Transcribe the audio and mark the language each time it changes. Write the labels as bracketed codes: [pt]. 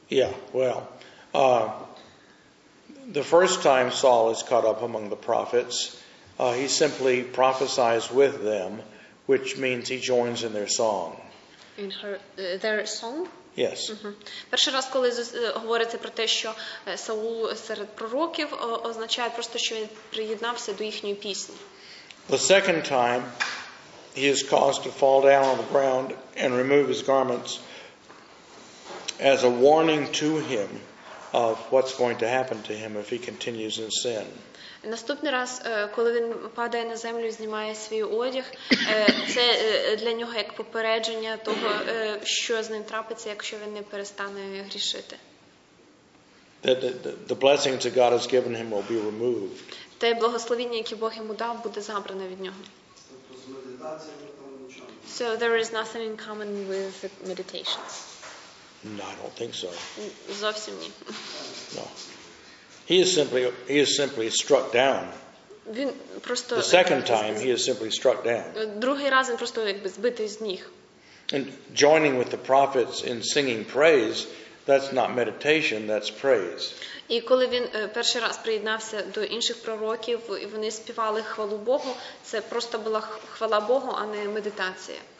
[en] Yeah, well, the first time Saul is caught up among the prophets, he simply prophesies with them, which means he joins in their song. In their song? Yes. [uk] Перший раз, коли говориться про те, що Саул серед пророків, означає просто, що він приєднався до їхньої пісні. [en] The second time he is caused to fall down on the ground and remove his garments as a warning to him of what's going to happen to him if he continues in sin. [uk] Наступний раз, коли він падає на землю і знімає свій одяг, це для нього як попередження того, що з ним трапиться, якщо він не перестане грішити. [en] The blessings that God has given him will be removed. [uk] Те благословення, яке Бог йому дав, буде забрано від нього. [en] So there is nothing in common with the meditations. No, I don't think so. [uk] Зовсім ні. [en] No. He is simply struck down. [uk] Він просто, [en] the second time he is simply struck down. [uk] Другий раз він просто якби збитий з ніг. [en] And joining with the prophets in singing praise, that's not meditation, that's praise. [uk] І коли він перший раз приєднався до інших пророків, і вони співали хвалу Богу, це просто була хвала Богу, а не медитація.